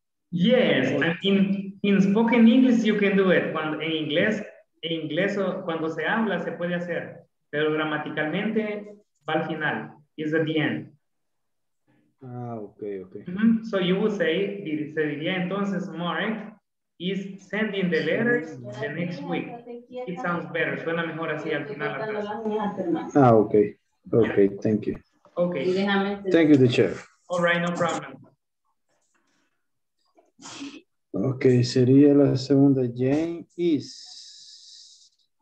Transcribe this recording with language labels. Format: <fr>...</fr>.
<en>Yes, in spoken English you can do it.</en> <es>Cuando en inglés cuando se habla se puede hacer, pero gramaticalmente va al final.</es> <en>It's at the end. Ah, okay, okay. Mm-hmm. So you would say,</en> <es>se diría entonces,</es> <en>Mark is sending the letters the next week. It sounds better,</en> <es>suena mejor así al final. Atrás.</es> <en>Ah, okay, okay, thank you. Okay. Thank you, the chair. All right, no problem.</en> <es>Okay, sería la segunda, Jane is.</es>